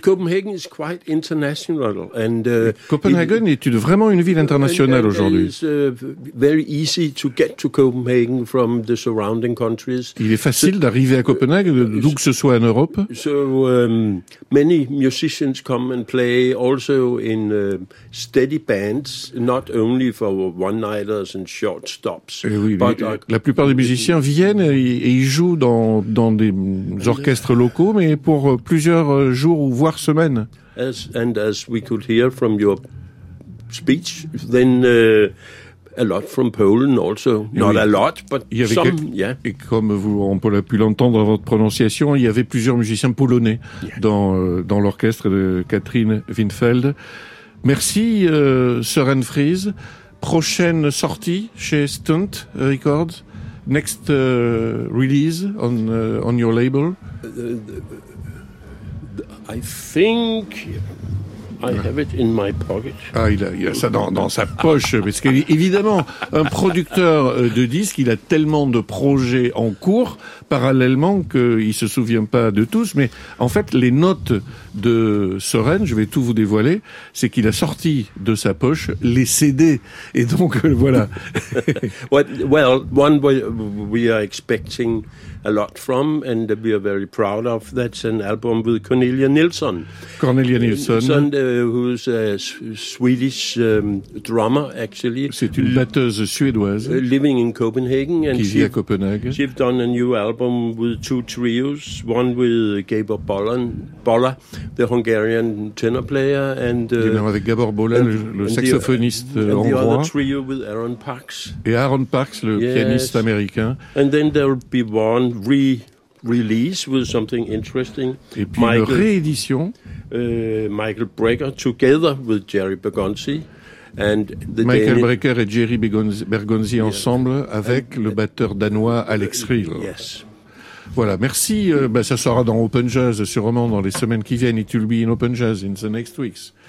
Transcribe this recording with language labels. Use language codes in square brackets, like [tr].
[en] Copenhagen is quite international. And, [fr] Copenhagen est vraiment une ville internationale aujourd'hui. [en] It's very easy to get to Copenhagen from the surrounding countries. [fr] Il est facile d'arriver à Copenhague, d'où que ce soit en Europe. [en] So many musicians come and play also in steady bands, not only for one-nighters and short stops. [fr] La plupart des musiciens viennent et ils jouent dans des orchestres locaux, mais pour plusieurs jours ou voire semaines. [en] As we could hear from your speech, then a lot from Poland also. [fr] Et comme on peut l'entendre dans votre prononciation, il y avait plusieurs musiciens polonais dans l'orchestre de Catherine Winfeld. Merci, Søren Friis. Prochaine sortie chez Stunt Records. [en] Next release on your label. I think I have it in my pocket. [fr] Ah, il a ça dans sa poche. Parce qu'évidemment, un producteur de disques, il a tellement de projets en cours parallèlement qu'il ne se souvient pas de tous. Mais en fait, les notes de Søren, je vais tout vous dévoiler, c'est qu'il a sorti de sa poche les CD. Et donc, voilà. [en] Well, one we are expecting a lot from, and we are very proud of, that's an album with Cornelia Nilsson. Who's a Swedish drummer, actually. [fr] C'est une batteuse suédoise. [en] Living in Copenhagen. And [fr] qui vit à Copenhague. [en] She's done a new album with two trios, one with Gabor Bolla, the Hungarian tenor player, and [fr] avec Gabor Bolla, le saxophoniste hongrois. [en] And the other trio with Aaron Pax. [fr] Et Aaron Pax, le pianiste américain. [en] And then there will be one release with something interesting. [fr] Et puis Michael, une réédition. [en] Michael Brecker together with Jerry Bergonzi. And the [fr] Michael Brecker et Jerry Bergonzi ensemble avec le batteur danois Alex Riel. [en] Yes. [fr] Voilà, merci. Ça sera dans Open Jazz sûrement dans les semaines qui viennent. [en] It will be in Open Jazz in the next weeks.